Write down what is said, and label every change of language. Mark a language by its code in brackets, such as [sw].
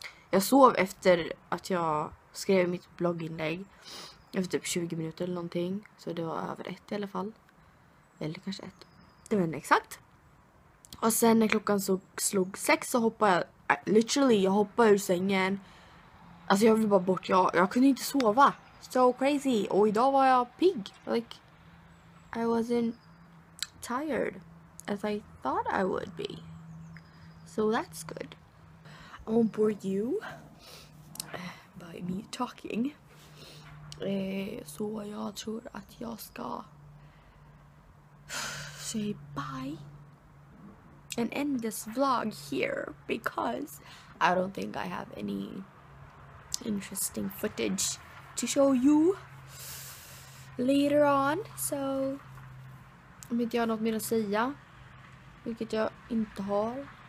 [sv] Jag sov efter att jag skrev mitt blogginlägg efter typ 20 minuter eller någonting, så det var över ett i alla fall, eller kanske ett, det var inte exakt. Och sen när klockan så slog 6 så hoppade jag, literally jag hoppade ur sängen, alltså jag ville bara bort, jag kunde inte sova. [en] So crazy. [sv] Och idag var jag pigg. [en] Like, I wasn't tired as I thought I would be. So that's good. I won't bore you by me talking. [sv] Så jag tror att jag ska [en] say bye and end this vlog here because I don't think I have any interesting footage to show you later on, so [sv] om inte jag har något mer att säga, vilket jag inte har.